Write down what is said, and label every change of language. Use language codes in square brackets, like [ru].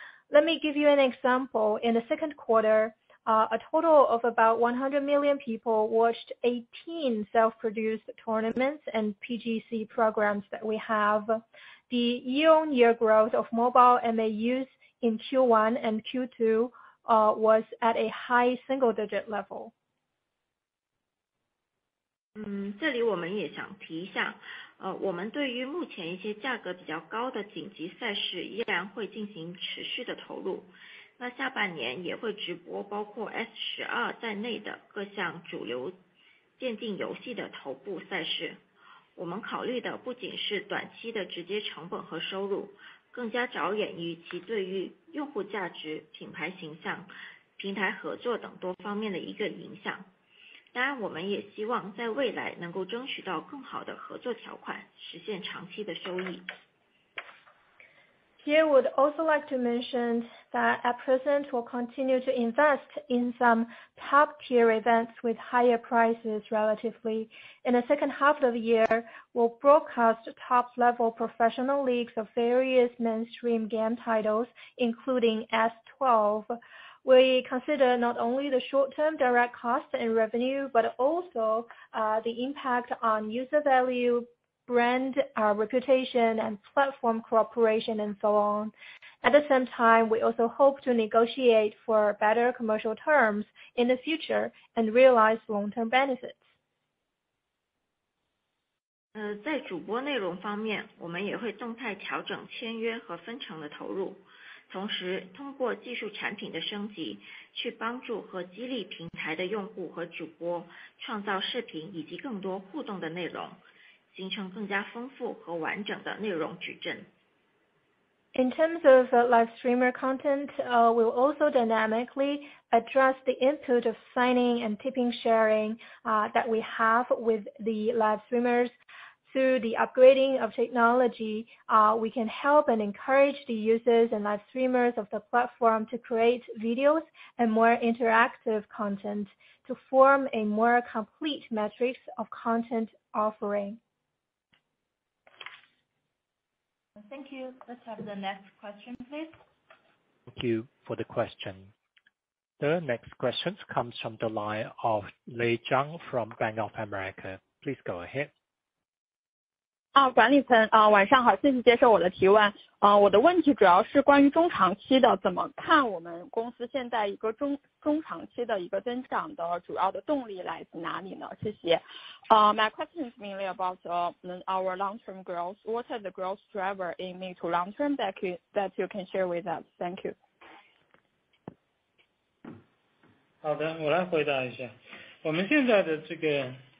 [en] Let me give you an example. In the second quarter, a total of about 100 million people watched 18 self-produced tournaments and PGC programs that we have. The year-on-year growth of mobile MAUs in Q1 and Q2 was at a high single-digit level. [zh] 这里我们也想提一下，我们对于目前一些价格比较高的紧急赛事依然会进行持续的投入。那下半年也会直播包括 S12 在内的各项主流电竞游戏的头部赛事。我们考虑的不仅是短期的直接成本和收入，更加着眼于其对于用户价值、品牌形象、平台合作等多方面的一个影响。当然，我们也希望在未来能够争取到更好的合作条款，实现长期的收益。 [en] Here would also like to mention that at present we'll continue to invest in some top tier events with higher prices relatively. In the second half of the year, we'll broadcast top level professional leagues of various mainstream game titles, including S12. We consider not only the short term direct costs and revenue, but also the impact on user value, brand, our reputation, and platform cooperation, and so on. At the same time, we also hope to negotiate for better commercial terms in the future and realize long-term benefits. [zh] 在主播内容方面，我们也会动态调整签约和分成的投入，同时通过技术产品的升级，去帮助和激励平台的用户和主播创造视频以及更多互动的内容，形成更加丰富和完整的内容矩阵。 [en] In terms of live streamer content, we'll also dynamically address the input of signing and tipping sharing that we have with the live streamers. Through the upgrading of technology, we can help and encourage the users and live streamers of the platform to create videos and more interactive content to form a more complete matrix of content offering. Thank you. Let's have the next question, please. Thank you for the question. The next question comes from the line of Lei Zhang from Bank of America. Please go ahead. [zh] 管理层，晚上好，谢谢接受我的提问。我的问题主要是关于中长期的，怎么看我们公司现在一个中长期的一个增长的主要的动力来自哪里呢？谢谢。 [en] My question is mainly about our long-term growth. What are the growth driver in mid to long-term that you can share with us? Thank you. [zh] 好的，我来回答一下，我们现在的这个。